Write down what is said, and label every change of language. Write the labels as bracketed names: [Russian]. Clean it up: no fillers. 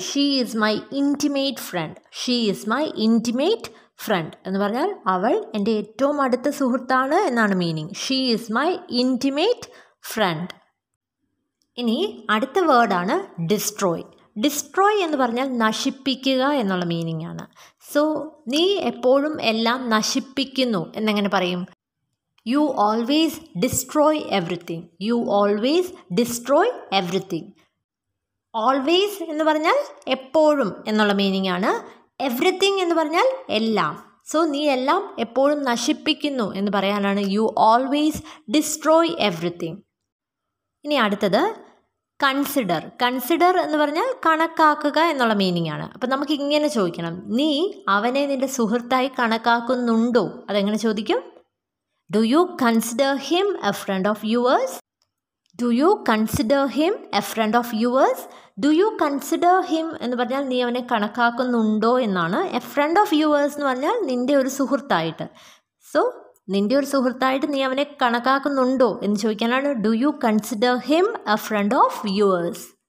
[English] She is my intimate friend. She is my intimate friend [Malayalam] എന്ന് പറഞ്ഞാൽ അവൾ എൻ്റെ ഏറ്റവും അടുത്ത സുഹൃത്താണ് എന്നാണ് meaning. [English] She is my intimate friend. [Malayalam] ഇനി അടുത്ത വേർഡാണ് ഡിസ്ട്രോയ്. ഡിസ്ട്രോയ് എന്ന് പറഞ്ഞാൽ നശിപ്പിക്കുക എന്നുള്ള മീനിങ് ആണ്. സോ നീ എപ്പോഴും എല്ലാം നശിപ്പിക്കുന്നു എന്നെങ്ങനെ പറയും? [English] You always destroy everything. You always destroy everything. [Malayalam] Always എന്ന് പറഞ്ഞാൽ എപ്പോഴും എന്നുള്ള മീനിങ് ആണ്. Everything എന്ന് പറഞ്ഞാൽ എല്ലാം. സോ നീ എല്ലാം എപ്പോഴും നശിപ്പിക്കുന്നു എന്ന് പറയാനാണ് [English] You always destroy everything. [Malayalam] ഇനി അടുത്തത് കൺസിഡർ. കൺസിഡർ എന്ന് പറഞ്ഞാൽ കണക്കാക്കുക എന്നുള്ള മീനിങ് ആണ്. അപ്പം നമുക്ക് ഇങ്ങനെ ചോദിക്കണം, നീ അവനെ നിൻ്റെ സുഹൃത്തായി കണക്കാക്കുന്നുണ്ടോ? അതെങ്ങനെ ചോദിക്കും? [English] Do you consider him a friend of yours? Do you consider him a friend of yours? Do you consider him [Malayalam] എന്ന് പറഞ്ഞാൽ നീ അവനെ കണക്കാക്കുന്നുണ്ടോ എന്നാണ്. [English] a friend of yours [Malayalam] എന്ന് പറഞ്ഞാൽ നിൻ്റെ ഒരു സുഹൃത്തായിട്ട്. സോ നിൻ്റെ ഒരു സുഹൃത്തായിട്ട് നീ അവനെ കണക്കാക്കുന്നുണ്ടോ എന്ന് ചോദിക്കാനാണ് [English] Do you consider him a friend of yours.